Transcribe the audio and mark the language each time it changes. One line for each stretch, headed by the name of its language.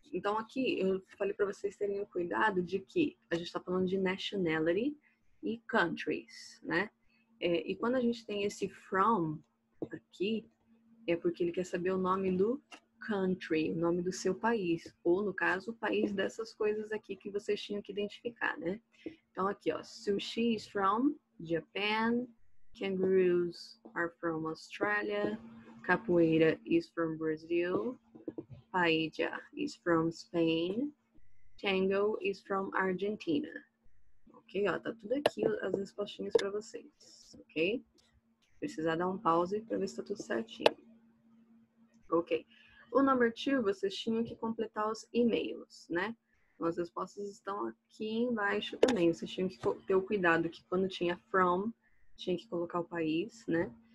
Portuguese: Então, aqui eu falei para vocês terem o cuidado de que a gente está falando de nationality e countries, né? E quando a gente tem esse from aqui, é porque ele quer saber o nome do country, o nome do seu país, ou no caso, o país dessas coisas aqui que vocês tinham que identificar, né? Então aqui, ó,
English: sushi is from Japan, kangaroos are from Australia, capoeira is from Brazil, paella is from Spain, tango is from Argentina.
Portuguese: Ok, ó, tá tudo aqui as respostinhas para vocês, ok? Precisa dar um pause para ver se tá tudo certinho. Ok. O number two, vocês tinham que completar os e-mails, né? Então, as respostas estão aqui embaixo também. Vocês tinham que ter o cuidado que quando tinha from, tinha que colocar o país, né?